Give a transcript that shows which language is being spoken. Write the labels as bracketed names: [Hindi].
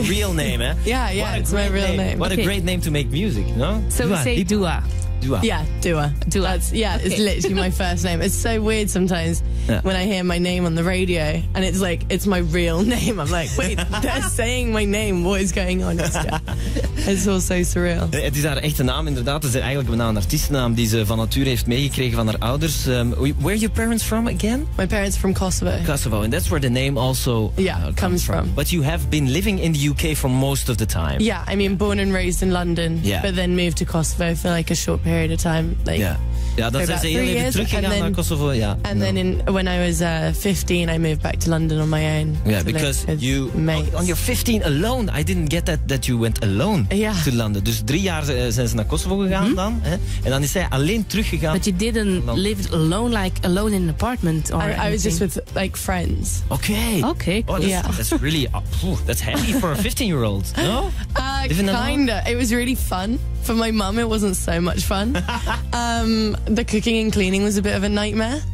[English] the real name, eh? Yeah, yeah, it's my real name. What a great name to make music, no? So, Dua, we say Dua. Dua. Yeah, Dua. Dua. That's, yeah, okay. It's literally my first name. It's so weird sometimes when I hear my name on the radio and it's like, it's my real name. I'm like, wait, they're saying my name. What is going on? It's all so surreal. [Dutch] Het is haar echte naam, inderdaad. Het is eigenlijk bijna een artiestennaam die ze van nature heeft meegekregen van haar ouders. [English] Where are your parents from again? My parents are from Kosovo. Kosovo, and that's where the name also comes from. But you have been living in the UK for most of the time. Yeah, I mean, born and raised in London, yeah. but then moved to Kosovo for like a short period of time, like [Dutch] dat zijn ze heel even teruggegaan naar Kosovo, ja. [English] And then when I was 15, I moved back to London on my own. Yeah, because you on your 15 alone, I didn't get that you went alone to London. [Dutch] Dus 3 jaar zijn ze naar Kosovo gegaan dan, hè? En dan is zij alleen teruggegaan. [English] But you didn't live alone, like alone in an apartment or anything. I was just with like friends. Okay. Okay. Cool. Oh, that's really that's heavy for a 15-year-old, no? Kinda. It was really fun. For my mum, it wasn't so much fun. The cooking and cleaning was a bit of a nightmare.